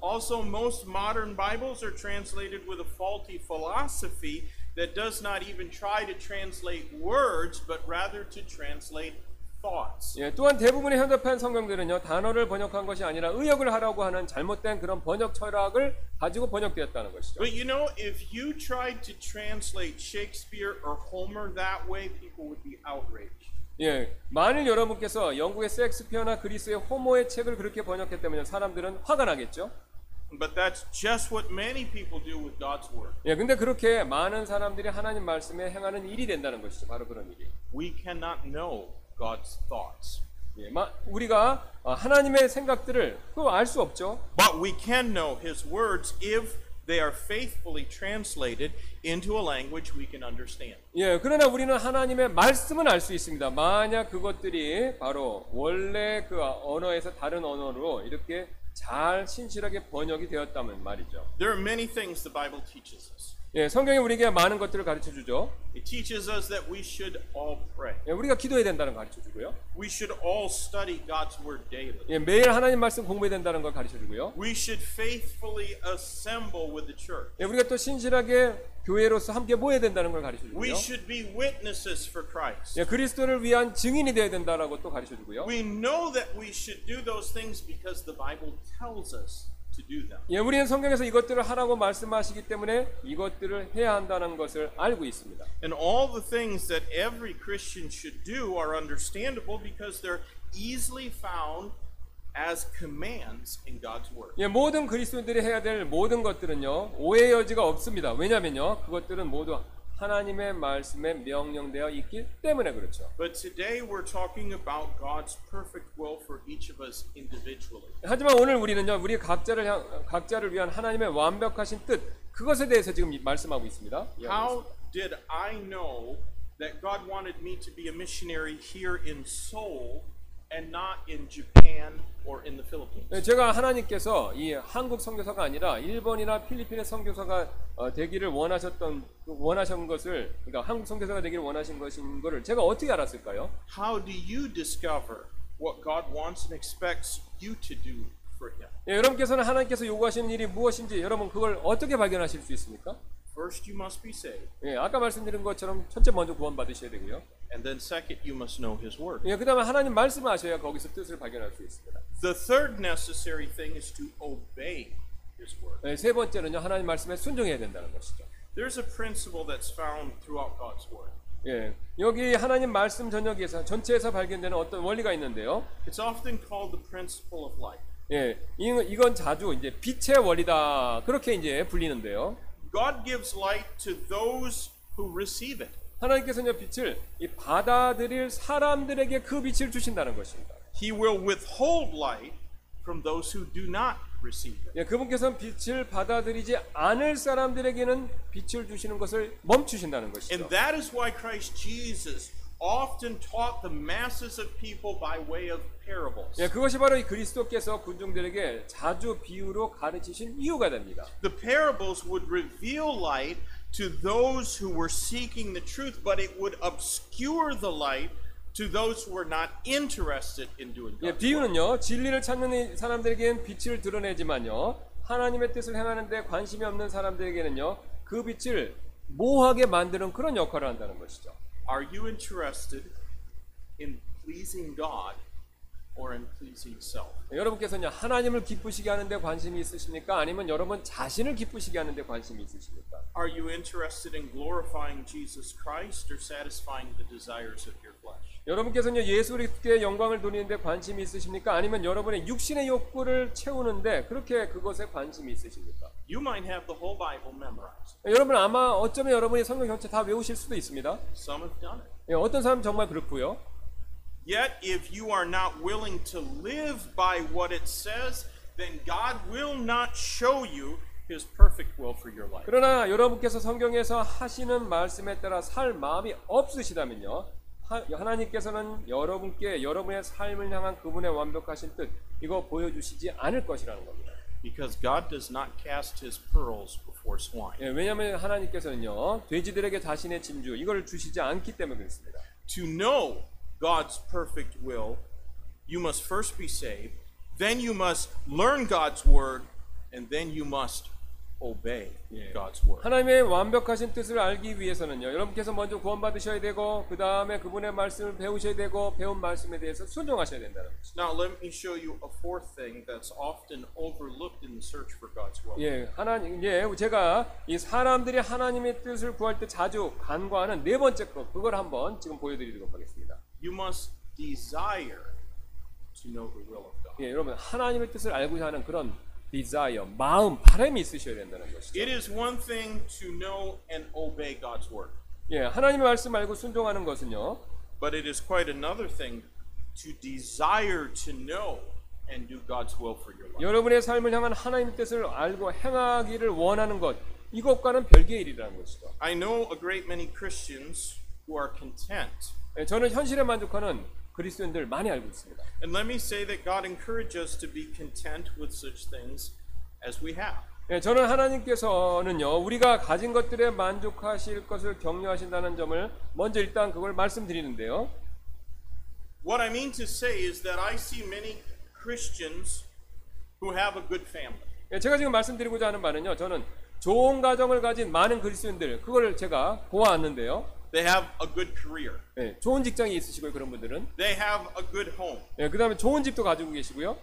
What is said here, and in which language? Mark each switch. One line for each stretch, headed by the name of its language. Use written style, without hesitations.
English: Also, most modern Bibles are translated with a faulty philosophy that does not even try to translate words, but rather to translate thoughts.
Korean: 예, 또한 대부분의 현대판 성경들은요 단어를 번역한 것이 아니라 의역을 하라고 하는 잘못된 그런 번역 철학을 가지고 번역되었다는 것이죠.
English: But you know, if you tried to translate Shakespeare or Homer that way, people would be outraged.
Korean: 예, 만일 여러분께서 영국의 셰익스피어나 그리스의 호모의 책을 그렇게 번역했다면 사람들은 화가 나겠죠.
English: But that's just what many people do with God's word.
Korean: 예, 근데 그렇게 많은 사람들이 하나님 말씀에 행하는 일이 된다는 것이죠. 바로 그런 일이.
English: We cannot know God's thoughts.
Korean: 예, 우리가 하나님의 생각들을 그걸 알 수 없죠.
English: But we can know His words if they are faithfully translated into a language we can understand.
Korean: 예, 그러나 우리는 하나님의 말씀은 알 수 있습니다. 만약 그것들이 바로 원래 그 언어에서 다른 언어로 이렇게 잘 신실하게 번역이 되었다면 말이죠.
English: There are many things the Bible teaches us.
Korean: 예, 성경이 우리에게 많은 것들을 가르쳐 주죠.
English: It teaches us that we should all pray.
Korean: 예, 우리가 기도해야 된다는 가르쳐 주고요.
English: We should all study God's word daily.
Korean: 예, 매일 하나님 말씀 공부해야 된다는 걸 가르쳐 주고요.
English: We should faithfully assemble with the church.
Korean: 예, 우리가 또 신실하게 교회로서 함께 모여야 된다는 걸 가르쳐 주고요.
English: We should be witnesses for Christ.
Korean: 예, 그리스도를 위한 증인이 되어야 된다라고 또 가르쳐 주고요.
English: We know that we should do those things because the Bible tells us.
Korean: 예, 우리는 성경에서 이것들을 하라고 말씀하시기 때문에 이것들을 해야 한다는 것을 알고 있습니다.
English: And all the things that every Christian should do are understandable because they're easily found as commands in God's word.
Korean: 예, 모든 그리스도인들이 해야 될 모든 것들은요 오해 여지가 없습니다. 왜냐하면요 그것들은 모두 하나님의 말씀에 명령되어 있기 때문에 그렇죠.
English: But today we're talking about God's perfect will for each of us individually.
Korean: 하지만 오늘 우리는요, 우리 각자를 향, 각자를 위한 하나님의 완벽하신 뜻 그것에 대해서 지금 말씀하고 있습니다.
English: How did I know that God wanted me to be a missionary here in Seoul and not in Japan or in the Philippines?
Korean: 제가 하나님께서 이 한국 선교사가 아니라 일본이나 필리핀의 선교사가 되기를 원하셨던 원하신 것을 그러니까 한국 선교사가 되기를 원하신 것인 것을 제가 어떻게 알았을까요?
English: How do you discover what God wants and expects you to do for Him?
Korean: 예, 여러분께서는 하나님께서 요구하시는 일이 무엇인지 여러분 그걸 어떻게 발견하실 수 있습니까?
English: First, you must be saved.
Korean: 예, 아까 말씀드린 것처럼 첫째 먼저 구원 받으셔야 되고요.
English: And then second, you must know His word.
Korean: 예, 그다음에 하나님 말씀 아셔야 거기서 뜻을 발견할 수 있습니다.
English: The third necessary thing is to obey.
Korean: 네, 세 번째는요 하나님 말씀에 순종해야 된다는 것이죠.
English: There's a principle that's found throughout God's word.
Korean: 예, 여기 하나님 말씀 전역에서 전체에서 발견되는 어떤 원리가 있는데요.
English: It's often called the principle of light.
Korean: 예, 이건 자주 이제 빛의 원리다 그렇게 이제 불리는데요.
English: God gives light to those who receive it.
Korean: 하나님께서는요 빛을 이 받아들일 사람들에게 그 빛을 주신다는 것입니다.
English: He will withhold light from those who do not.
Korean: 예, 그분께서는 빛을 받아들이지 않을 사람들에게는 빛을 주시는 것을 멈추신다는 것이죠.
English: And that is why Christ Jesus often taught the masses of people by way of parables.
Korean: 예, 그것이 바로 이 그리스도께서 군중들에게 자주 비유로 가르치신 이유가 됩니다.
English: The parables would reveal light to those who were seeking the truth, but it would obscure the light to those who are not interested in doing God's
Korean: 예, 비유는요 진리를 찾는 사람들에게는 빛을 드러내지만요 하나님의 뜻을 행하는데 관심이 없는 사람들에게는요 그 빛을 모호하게 만드는 그런 역할을 한다는 것이죠.
English: Are you interested in pleasing God or in pleasing self?
Korean: 예, 여러분께서는요 하나님을 기쁘시게 하는데 관심이 있으십니까? 아니면 여러분 자신을 기쁘시게 하는데 관심이 있으십니까?
English: Are you interested in glorifying Jesus Christ or satisfying the desires of your flesh?
Korean: 여러분께서는 예수님께 영광을 돌리는데 관심이 있으십니까? 아니면 여러분의 육신의 욕구를 채우는데 그렇게 그것에 관심이 있으십니까?
English: You might have the whole Bible memorized.
Korean: 여러분 아마 어쩌면 여러분이 성경 전체 다 외우실 수도 있습니다.
English: Some have done it.
Korean: 예, 어떤 사람 정말 그렇고요.
English: Yet if you are not willing to live by what it says, then God will not show you His perfect will for your life.
Korean: 그러나 여러분께서 성경에서 하시는 말씀에 따라 살 마음이 없으시다면요. 하나님께서는 여러분께 여러분의 삶을 향한 그분의 완벽하신 뜻 이거 보여주시지 않을 것이라는 겁니다.
English: Because God does not cast His pearls before swine.
Korean: 예, 왜냐하면 하나님께서는요 돼지들에게 자신의 진주 이거를 주시지 않기 때문에 그렇습니다.
English: To know God's perfect will you must first be saved, then you must learn God's word, and then you must obey God's word.
Korean: 하나님의 완벽하신 뜻을 알기 위해서는요, 여러분께서 먼저 구원받으셔야 되고, 그 다음에 그분의 말씀을 배우셔야 되고, 배운 말씀에 대해서 순종하셔야 된다는 거죠.
English: Now let me show you a fourth thing that's often overlooked in the search for God's will.
Korean: 예, 하나님, 예, 제가 이 사람들이 하나님의 뜻을 구할 때 자주 간과하는 네 번째 것, 그걸 한번 지금 보여드리도록 하겠습니다.
English: You must desire to know the will of God.
Korean: 예, 여러분 하나님의 뜻을 알고자 하는 그런 desire, 마음, 바람이 있으셔야 된다는 것이죠.
English: It is one thing to know and obey God's word.
Korean: 예, 하나님의 말씀 알고 순종하는 것은요.
English: But it is quite another thing to desire to know and do God's will for your life.
Korean: 여러분의 삶을 향한 하나님의 뜻을 알고 행하기를 원하는 것, 이것과는 별개의 일이라는 것이죠.
English: I know a great many Christians who are content.
Korean: 예, 저는 현실에 만족하는 그리스도인들 많이 알고 있습니다.
English: And let me say that God encourages us to be content with such things as we have.
Korean: 예, 저는 하나님께서는요, 우리가 가진 것들에 만족하실 것을 격려하신다는 점을 먼저 일단 그걸 말씀드리는데요.
English: What I mean to say is that I see many Christians who have a good family.
Korean: 예, 제가 지금 말씀드리고자 하는 바는요, 저는 좋은 가정을 가진 많은 그리스도인들 그걸 제가 보았는데요.
English: They have a good career.
Korean: 예, 좋은 직장이 있으시고요, 그런 분들은.
English: They have a good home.
Korean: 예, 그다음에 좋은 집도 가지고 계시고요.